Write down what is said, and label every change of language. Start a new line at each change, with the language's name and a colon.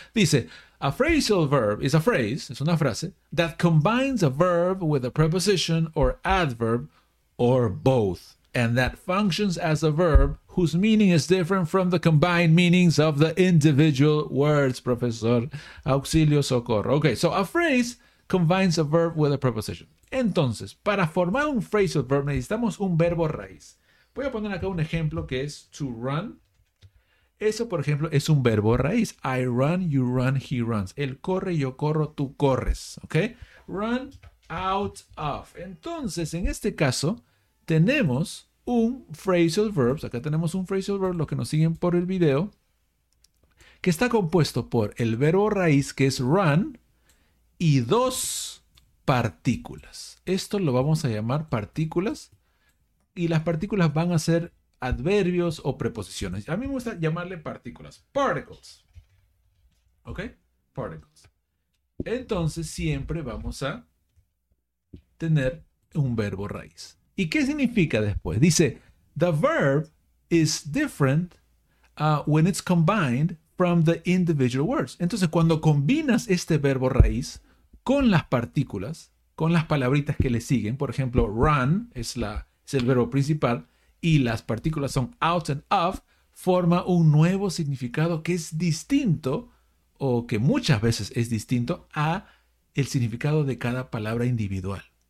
Spanish: Dice,
English: a phrasal verb is a phrase,
Spanish: es una frase,
English: that combines a verb with a preposition or adverb or both, and that functions as a verb whose meaning is different from the combined meanings of the individual words.
Spanish: Profesor, auxilio, socorro.
English: Okay, so a phrase combines a verb with a preposition.
Spanish: Entonces, para formar un phrasal verb necesitamos un verbo raíz. Voy a poner acá un ejemplo que es to run. Eso, por ejemplo, es un verbo raíz.
English: I run, you run, he runs.
Spanish: Él corre, yo corro, tú corres. Okay? Run out of. Entonces, en este caso, tenemos un phrasal verb. Acá tenemos un phrasal verb, los que nos siguen por el video, que está compuesto por el verbo raíz, que es run, y dos partículas. Esto lo vamos a llamar partículas, y las partículas van a ser adverbios o preposiciones. A mí me gusta llamarle partículas, particles. ¿Ok? Particles. Entonces siempre vamos a tener un verbo raíz. ¿Y qué significa después? Dice,
English: the verb is different when it's combined from the individual words.
Spanish: Entonces, cuando combinas este verbo raíz con las partículas, con las palabritas que le siguen, por ejemplo, run es el verbo principal y las partículas son out and of, forma un nuevo significado que es distinto, o que muchas veces es distinto, a el significado de cada palabra individual.